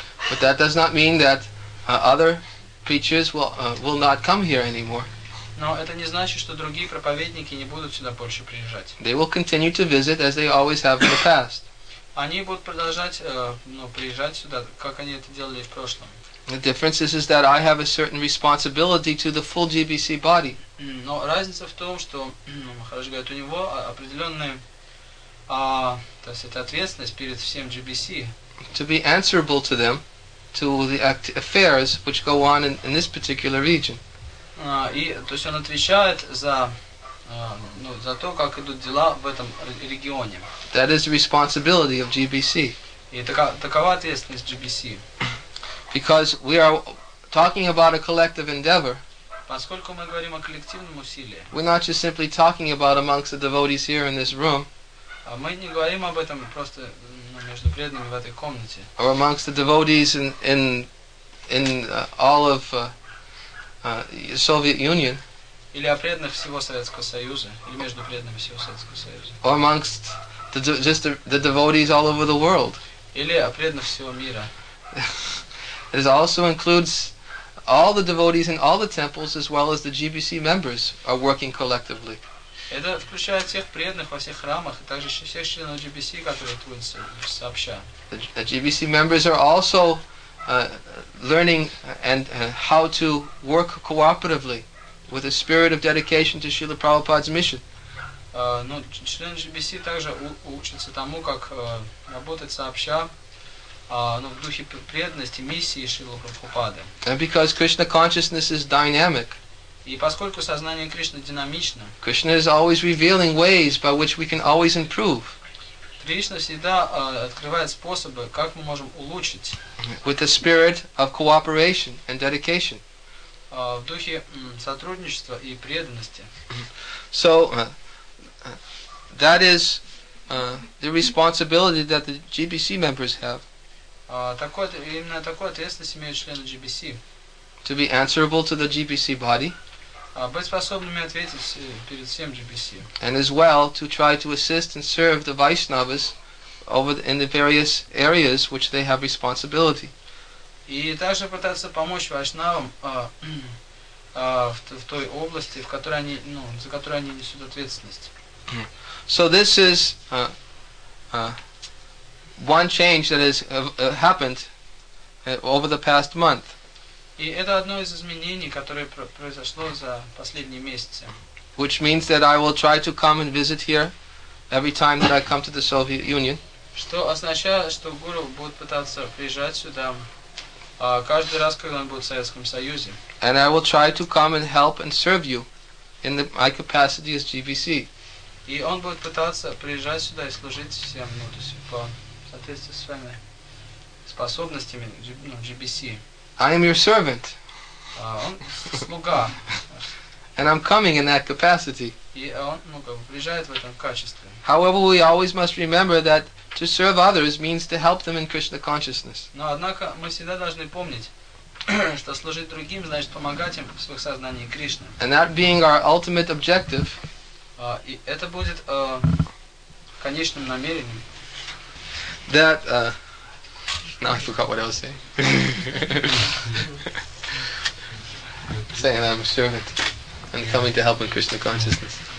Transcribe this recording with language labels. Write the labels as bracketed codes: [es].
[en] But that does not mean that other preachers will not come here anymore. [ru] Но это не значит, что другие проповедники не будут сюда больше приезжать. [en] They will continue to visit as they always have in the past. [ru] Они будут продолжать, ну, приезжать сюда, как они это делали в прошлом. [en] The difference is that I have a certain responsibility to the full GBC body. [ru] Но разница в том, что, хорошо говорят, у него определенная, то есть это ответственность перед всем GBC. [en] To be answerable to them, to the affairs which go on in this particular region. [ru] И то есть он отвечает за, ну, за то, как идут дела в этом регионе. [en] That is the responsibility of GBC. [ru] И такова ответственность GBC. [en] Because we are talking about a collective endeavor. [ru] Поскольку мы говорим о коллективном усилии. [en] We're not just simply talking about amongst the devotees here in this room. [ru] А мы не говорим об этом просто, ну, между преданными в этой комнате. [en] Or amongst the devotees in all of Soviet Union. [ru] Или о преданных всего Советского Союза, или между преданными всего Советского Союза. [en] Or amongst the devotees all over the world. [ru] Или о преданных всего мира. [en] It also includes all the devotees in all the temples, as well as the GBC members are working collectively. [ru] Это включает всех преданных во всех храмах, и также всех членов GBC, которые трудятся сообща. [en] The GBC members are also learning and how to work cooperatively with a spirit of dedication to Srila Prabhupada's mission. [ru] Ну, члены GBC также учатся тому, как работать сообща. Ну, в духе преданности миссии Шрилы Прабхупады. [en] And because Krishna consciousness is dynamic. [ru] И поскольку сознание Кришны динамично. [en] Krishna is always revealing ways by which we can always improve. [ru] Кришна всегда открывает способы, как мы можем улучшить. [en] With the spirit of cooperation and dedication. [ru] В духе сотрудничества и преданности. [en] So that is the responsibility that the GBC members have. [ru] Именно такой ответственность имеют члены GBC. [en] To be answerable to the GBC body. [ru] Быть способными ответить перед всем GBC. [en] And as well to try to assist and serve the Vaishnavas over in the various areas which they have responsibility. [ru] И также пытаться помочь Вайшнавам в той области, в которой они, ну, за которую они несут ответственность. [en] So this is one change that has happened over the past month. [ru] И это одно из изменений, которое произошло за последние месяцы. [en] Which means that I will try to come and visit here every time that I come to the Soviet Union. [ru] Что означает, что гуру будет пытаться приезжать сюда каждый раз, когда он будет в Советском Союзе. [en] And I will try to come and help and serve you in my capacity as GBC. [ru] И он будет пытаться приезжать сюда и служить всем, ну, то есть по соответствии с вами способностями, ну, GBC. [en] I am your servant. [ru] Слуга. [en] And I'm coming in that capacity. [ru] И он, ну, как бы, приезжает в этом качестве. [en] However, we always must remember that to serve others means to help them in Krishna consciousness. [ru] Но однако мы всегда должны помнить, что служить другим значит помогать им в своих сознаниях Кришны. [en] And that being our ultimate objective. [ru] И это будет конечным намерением. [en] That now I forgot what I was saying. Saying I'm a servant and coming to help in Krishna consciousness.